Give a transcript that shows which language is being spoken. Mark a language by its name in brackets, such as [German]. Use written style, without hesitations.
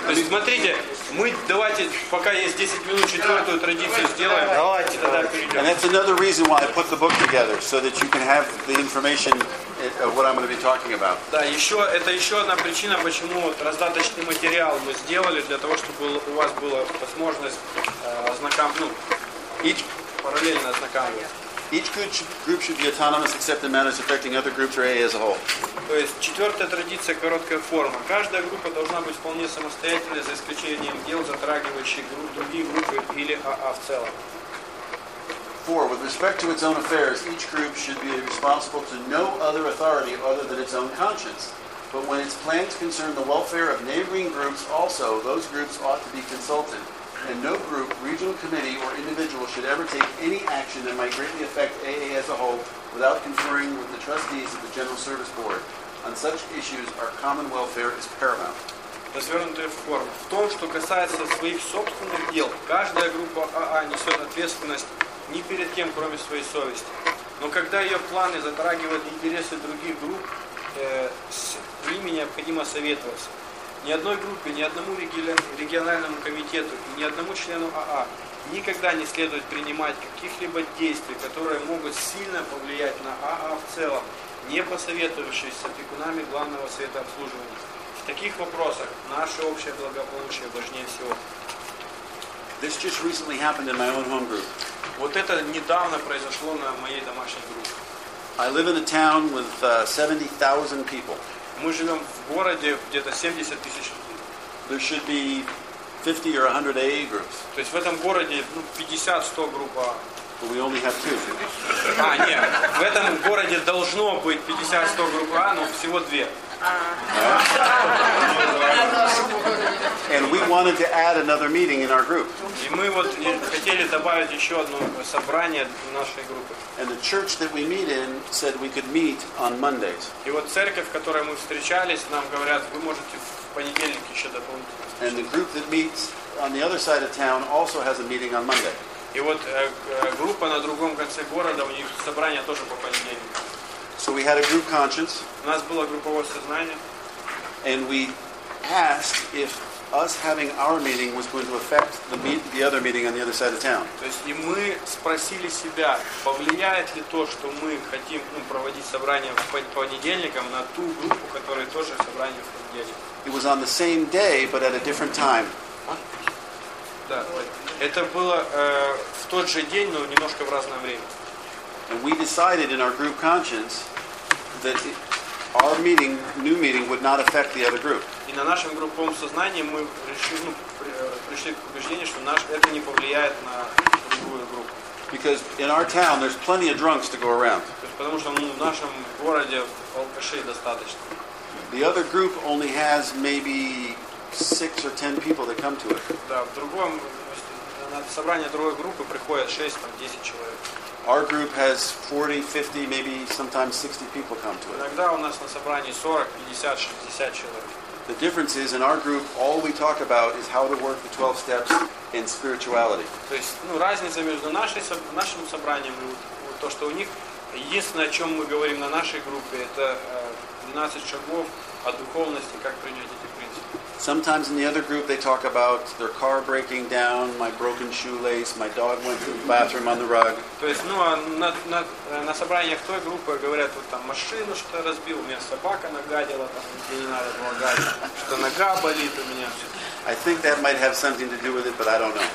[Russian] То есть смотрите, мы давайте, пока есть 10 минут, четвертую традицию сделаем. Давайте, тогда перейдем. [English] And that's another reason why I put the book together, so that you can have the information of what I'm going to be talking about. [Russian] Да, еще это еще одна причина, почему раздаточный материал мы сделали, для того, чтобы у вас была возможность параллельно ознакомиться. [English] Each group should be autonomous except in matters affecting other groups or AA as a whole. [Russian] То есть четвертая традиция короткая форма. Каждая группа должна быть вполне самостоятельной, за исключением дел, затрагивающих другие группы или АА в целом. [English] Four, with respect to its own affairs, each group should be responsible to no other authority other than its own conscience. But when its plans concern the welfare of neighboring groups also, those groups ought to be consulted. And no group, regional committee, or individual should ever take any action that might greatly affect AA as a whole without conferring with the trustees of the General Service Board. On such issues, our common welfare is paramount. [Russian] Развернутая форма. В том, что касается своих собственных дел, каждая группа АА несет ответственность ни перед кем, кроме своей совести. Но когда ее планы затрагивают интересы других групп, с ними необходимо советоваться. Ни одной группе, ни одному региональному комитету и ни одному члену АА никогда не следует принимать каких-либо действий, которые могут сильно повлиять на АА в целом, не посоветовавшись с опекунами Главного Совета Обслуживания. В таких вопросах наше общее благополучие важнее всего. [English] This just recently happened in my own home group. [Russian] Вот это недавно произошло на моей домашней группе. [English] I live in a town with 70,000 people. [Russian] Мы живем в городе где-то 70 тысяч людей. [English] There should be 50 or 100 AA groups. [Russian] То есть в этом городе 50-100 групп АА. [English] But we only have two. [Russian] А, нет. В этом городе должно быть 50-100 групп АА, но всего две. [English] And we wanted to add another meeting in our group. [Russian] И мы вот хотели добавить еще одно собрание в нашей группе. [English] And the church that we meet in said we could meet on Mondays. [Russian] И вот церковь, в которой мы встречались, нам говорят, вы можете в понедельник еще дополнительно. [English] And the group that meets on the other side of town also has a meeting on Monday. [Russian] И вот группа на другом конце города, у них собрание тоже по понедельникам. [English] So we had a group conscience. [Russian] У нас было групповое сознание. [English] And we asked if us having our meeting was going to affect the other meeting on the other side of town. [Russian] То есть и мы спросили себя, повлияет ли то, что мы хотим проводить собрание в понедельникам, на ту группу, которая тоже собрание в понедельник. [English] It was on the same day, but at a different time. [Russian] Да, это было в тот же день, но немножко в разное время. [English] And we decided in our group conscience that our meeting, new meeting, would not affect the other group. [Russian] И на нашем групповом сознании мы пришли к убеждению, что это не повлияет на другую группу. [English] Because in our town there's plenty of drunks to go around. [Russian] Потому что в нашем городе алкашей достаточно. [English] The other group only has maybe 6 or 10 people that come to it. [Russian] Да, в другом на собрание другой группы приходят 6-10 человек. [English] Our group has 40, 50, maybe sometimes 60 people come to it. [Russian] Иногда у нас на собрании 40, 50, 60 человек. [English] The difference is in our group all we talk about is how to work the 12 steps in spirituality. [Russian] То есть, разница между нашим собранием и то, что у них единственное, о чём мы говорим на нашей группе, это 12 шагов о духовности, как принять эти принципы. [English] Sometimes in the other group they talk about their car breaking down, my broken shoelace, my dog went to the bathroom on the rug. [Russian] То есть, на собраниях той группы говорят, машину что разбил, у меня собака нагадила, где не надо было гадить, что нога болит у меня. [English] I think that might have something to do with it, but I don't know.